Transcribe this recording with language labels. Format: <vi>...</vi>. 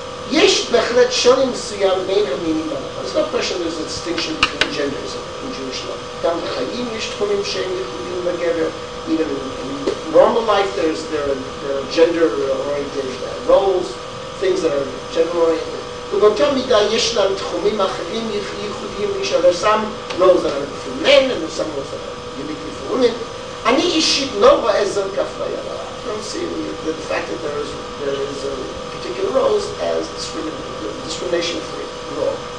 <he>יש בהחלט שוני מסוים בין המינים בעולם. אז לא פשוט איזה</he> <en>distinction between genders in Jewish life.</en> <he>גם בחיים יש תחומים שהם יחודים לגבר.</he> <en>Even in normal life there are gender oriented roles, things that are gender oriented.</en> <he>ובאותה מידה יש להם תחומים אחרים ייחודיים לאישה.</he> <en>There are some roles that are for men and some roles that are uniquely for women.</en> <he>אני אישית לא רואה זאת כאפליה לרעה.</he> <en>I don't see the fact that there is a particular role as discrimination free role.</en>